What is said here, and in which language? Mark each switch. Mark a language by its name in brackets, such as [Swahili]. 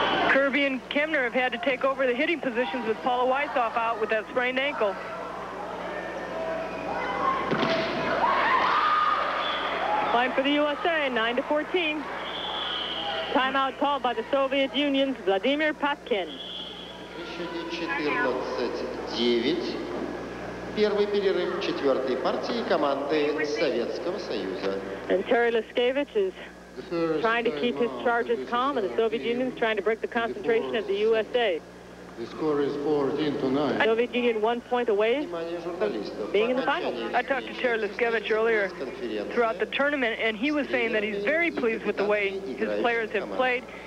[English] Kirby and Kemner have had to take over the hitting positions with Paula Weisshoff out with that sprained ankle. Time for the USA, 9-14. Timeout called by the Soviet Union's Vladimir Patkin. 14-9. [Russian] Первый перерыв четвертой партии команды Советского Союза. [English] And Terry Laskevich is trying to keep his charges calm, and the Soviet Union is trying to break the concentration of the USA. The score is 14-9. Soviet Union 1 point away being in the final. I talked to Terry Laskevich earlier throughout the tournament, and he was saying that he's very pleased with the way his players have played.